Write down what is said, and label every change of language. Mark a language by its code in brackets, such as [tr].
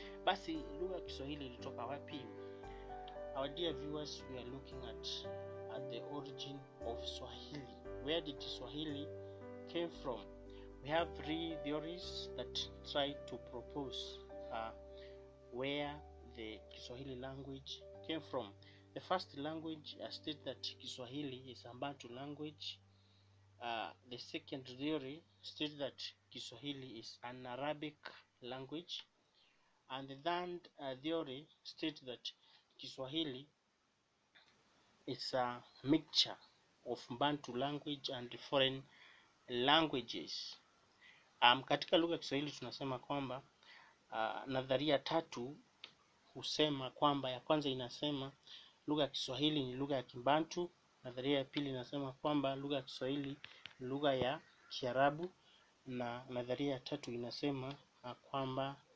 [sw] Basi lugha ya Kiswahili ilitoka wapi? [en] Our dear viewers, we are looking at the origin of Swahili. Where did Swahili came from? We have three theories that try to propose where the Kiswahili language came from. The first language states that Kiswahili is a Bantu language. The second theory states that Kiswahili is an Arabic language. And the third theory states that Kiswahili is a mixture of Bantu language and foreign languages. [sw] Katika lugha ya Kiswahili tunasema kwamba nadharia tatu husema kwamba, ya kwanza inasema lugha ya Kiswahili ni lugha ya Kibantu, nadharia ya pili inasema kwamba lugha ya Kiswahili ni lugha ya Kiarabu, na nadharia ya tatu inasema kwamba